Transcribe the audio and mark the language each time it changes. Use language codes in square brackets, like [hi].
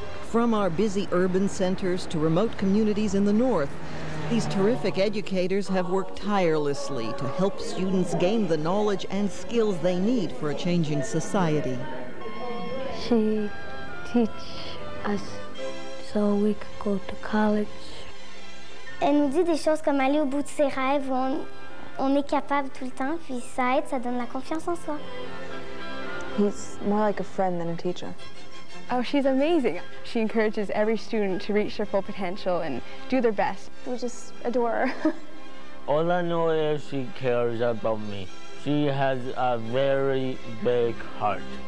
[en] From our busy urban centers to remote communities in the north, these terrific educators have worked tirelessly to help students gain the knowledge and skills they need for a changing society. She teach us so we could go to college. [fr] Elle nous dit des choses comme aller au bout de ses rêves, où on est capable tout le temps, puis ça aide, ça donne la confiance en soi. [en] He's more like a friend than a teacher. Oh, she's amazing. She encourages every student to reach their full potential and do their best. We just adore her. All I know is she cares about me. She has a very big heart.